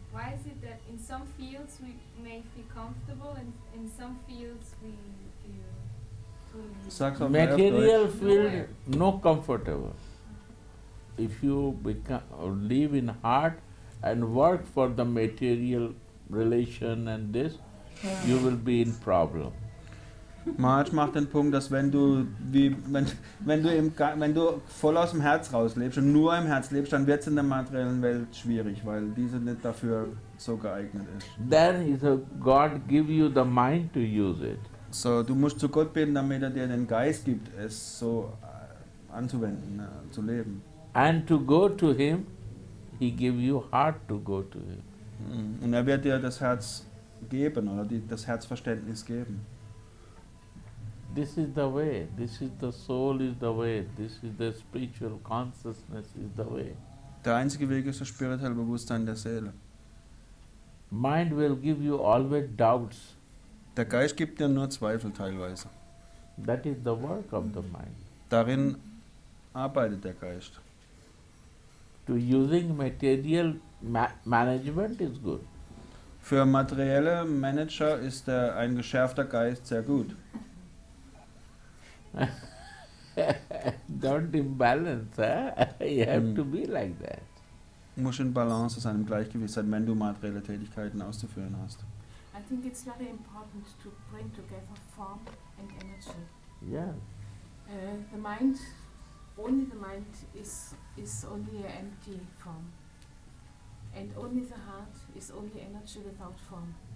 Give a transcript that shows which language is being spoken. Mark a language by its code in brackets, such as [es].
[en] Why is it that in some fields we may feel comfortable and in some fields we feel... Material field, no comfortable. If you live in heart and work for the material relation and this, you will be in problem. [de] Maharaj macht den Punkt, dass wenn du voll aus dem Herz rauslebst und nur im Herz lebst, dann wird es in der materiellen Welt schwierig, weil diese nicht dafür so geeignet ist. [en] Then God give you the mind to use it. [de] So, du musst zu Gott beten, damit er dir den Geist gibt, es so anzuwenden, zu leben. [en] And to go to him, he give you heart to go to him. [de] Und er wird dir das Herz geben, oder das Herzverständnis geben. [en] This is the way, this is the soul is the way, this is the spiritual consciousness is the way. [de] Der einzige Weg ist das spirituelle Bewusstsein der Seele. [en] Mind will give you always doubts. [de] Der Geist gibt dir nur Zweifel teilweise. [en] That is the work of the mind. [de] Darin arbeitet der Geist. [en] To using material management is good. [de] Für materielle Manager ist ein geschärfter Geist sehr gut. [en] Don't imbalance, huh? You have to be like that. [de] Muss in Balance sein, im Gleichgewicht sein, wenn du materielle Tätigkeiten auszuführen hast. [en] I think it's very important to bring together form and energy. Yeah. The mind, only the mind is only an empty form. And only the heart is only energy without form.